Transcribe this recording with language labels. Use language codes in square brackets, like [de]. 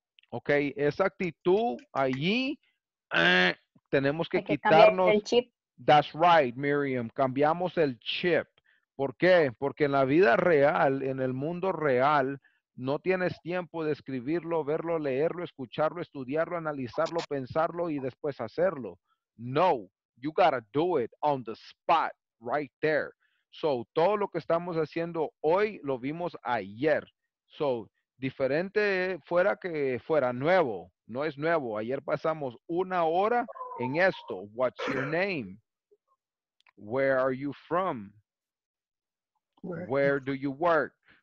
[es] Ok, esa actitud allí tenemos que quitarnos. El chip. [en] That's right, [es] Miriam. Cambiamos el chip. ¿Por qué? Porque en la vida real, en el mundo real, no tienes tiempo de escribirlo, verlo, leerlo, escucharlo, estudiarlo, analizarlo, pensarlo y después hacerlo. No. [en] You gotta do it on the spot, right there. [es] So, todo lo que estamos haciendo hoy, lo vimos ayer. So, diferente fuera que fuera nuevo. No es nuevo. Ayer pasamos una hora en esto. [en] What's your name? Where are you from? Where do you work?